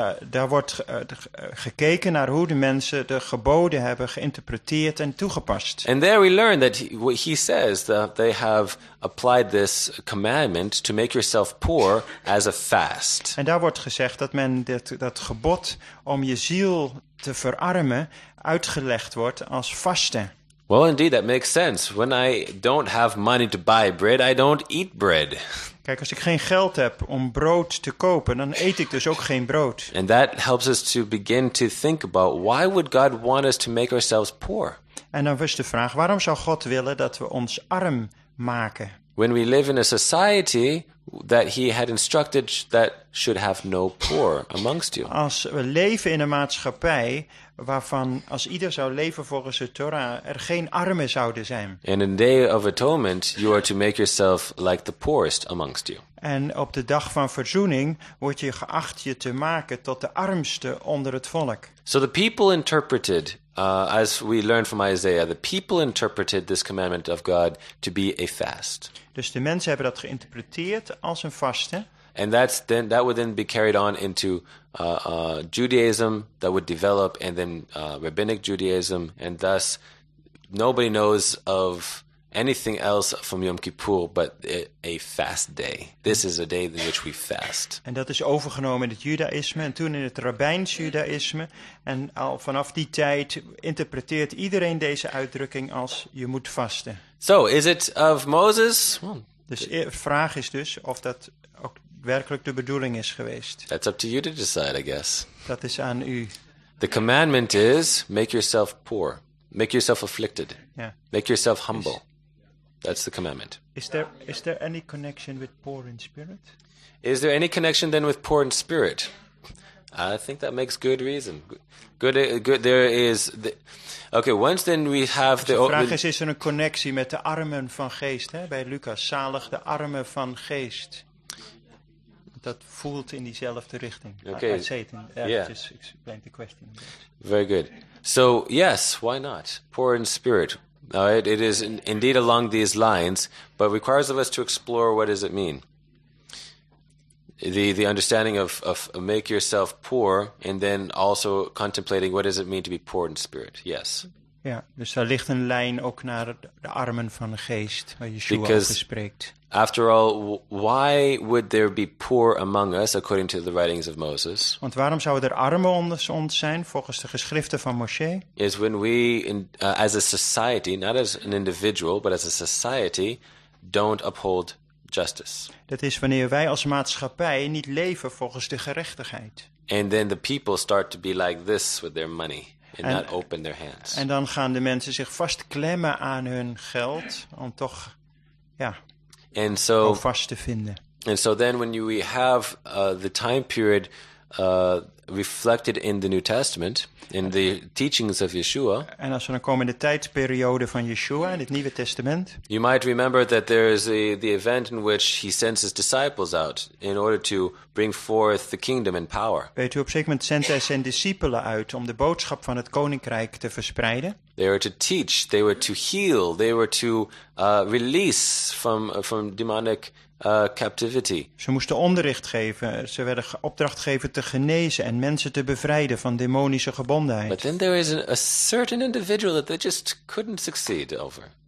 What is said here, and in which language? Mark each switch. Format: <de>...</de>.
<nl>Daar wordt gekeken naar hoe de mensen de geboden hebben geïnterpreteerd en toegepast.</nl> <en>And there we learn that what he says that they have applied this commandment to make yourself poor as a fast.</en> <nl>En daar wordt gezegd dat men dat gebod om je ziel te verarmen uitgelegd wordt als vasten.</nl> <en>Well, indeed, that makes sense. When I don't have money to buy bread, I don't eat bread.</en> <nl>Kijk, als ik geen geld heb om brood te kopen, dan eet ik dus ook geen brood.</nl> <en>And that helps us to begin to think about why would God want us to make ourselves poor?</en> <nl>En dan is de vraag, waarom zou God willen dat we ons arm maken?</nl> <en>When we live in a society that he had instructed that should have no poor amongst you.</en> <nl>Als we leven in een maatschappij waarvan als ieder zou leven volgens de Torah er geen armen zouden zijn.</nl> <en>In a day of atonement you are to make yourself like the poorest amongst you.</en> <nl>En op de dag van verzoening word je geacht je te maken tot de armste onder het volk.</nl> <en>So the people interpreted, as we learn from Isaiah, the people interpreted this commandment of God to be a fast.</en> <nl>Dus de mensen hebben dat geïnterpreteerd als een vaste.</nl> <en>And that would then be carried on into Judaism, that would develop, and then rabbinic Judaism, and thus nobody knows of anything else from Yom Kippur but a fast day. This is a day in which we fast.</en> <nl>En dat is overgenomen in het Judaïsme en toen in het Rabbijns Judaïsme. En al vanaf die tijd interpreteert iedereen deze uitdrukking als je moet vasten.</nl> <en>So, is it of Moses?</en> <nl>Dus de vraag is dus of dat ook werkelijk de bedoeling is geweest.</nl> <en>That's up to you to decide, I guess.</en> <nl>Dat is aan u.</nl> <en>The commandment is make yourself poor. Make yourself afflicted. Yeah. Make yourself humble. That's the commandment. Is there any connection with poor in spirit? Is there any connection then with poor in spirit? I think that makes good reason. Good. There is. Okay. Once then we have the.</en> <nl>De vraag is er een connectie met de armen van geest, hè? Bij Lucas, zalig de armen van geest. that voelt in diezelfde richting.</nl> <en>Okay. I'd say it in just explain the question. Very good. So, yes, why not? Poor in spirit. It is indeed along these lines, but requires of us to explore what does it mean. The understanding of make yourself poor, and then also contemplating what does it mean to be poor in spirit. Yes.</en> <nl>Ja, dus daar ligt een lijn ook naar de armen van de geest, waar Yeshua over spreekt.</nl> <en>After all, why would there be poor among us, according to the writings of Moses?</en> <nl>Want waarom zouden er armen onder ons zijn, volgens de geschriften van Moshe?</nl> <en>Is when we, as a society, not as an individual, but as a society, don't uphold justice.</en> <nl>Dat is wanneer wij als maatschappij niet leven volgens de gerechtigheid.</nl> <en>And then the people start to be like this with their money. And not open their hands.</en> <nl>En dan gaan de mensen zich vastklemmen aan hun geld om toch om vast te vinden.</nl> <en>And so then when we have the time period reflected in the New Testament, in the teachings of Yeshua.</en> <nl>En als we dan komen in de tijdsperiode van Yeshua in het Nieuwe Testament.</nl> <en>You might remember that there is the event in which he sends his disciples out in order to bring forth the kingdom and power.</en> <nl>Weet u, op zeker moment zendt hij zijn discipelen uit om de boodschap van het koninkrijk te verspreiden.</nl> <en>They were to teach, they were to heal, they were to release from demonic captivity.</en> <nl>Ze moesten onderricht geven, ze werden opdracht geven te genezen en mensen te bevrijden van demonische gebondenheid.</nl> <en>But then there is a certain individual that they just couldn't succeed over.</en>